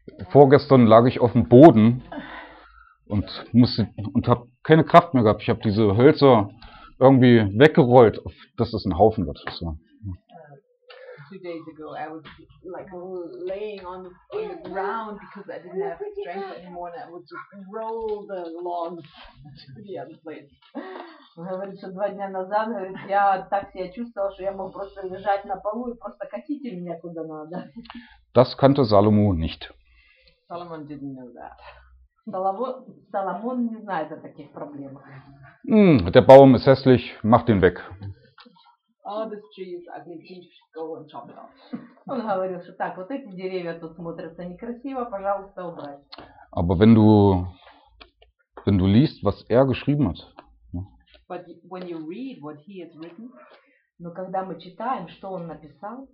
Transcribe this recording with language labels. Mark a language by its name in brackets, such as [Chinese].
[German] Vorgestern lag ich auf dem Boden und musste und habe keine Kraft mehr gehabt. Ich habe diese Hölzer irgendwie weggerollt, auf, dass das ein Haufen wird. So. [English] Two days ago I was like laying on the ground because I didn't have strength anymore and I would just roll the logs to the other place. [Russian] Говорит, что два дня назад, говорит, я так себя чувствовал, что я мог просто лежать на полу и просто катите меня куда надо. [German] Das kannte Salomo nicht. [English] Solomon didn't know that. [Russian] Соломон не знает о таких проблемах. [German] Der Baum ist hässlich, mach den weg. [English] All these trees are going to go and chop it off. [Russian] Он говорил, что так, вот эти деревья тут смотрятся некрасиво, пожалуйста, убрать. [German] Aber wenn du liest, was geschrieben hat. [English] But when you read what he has written, [Russian] но когда мы читаем, что он написал,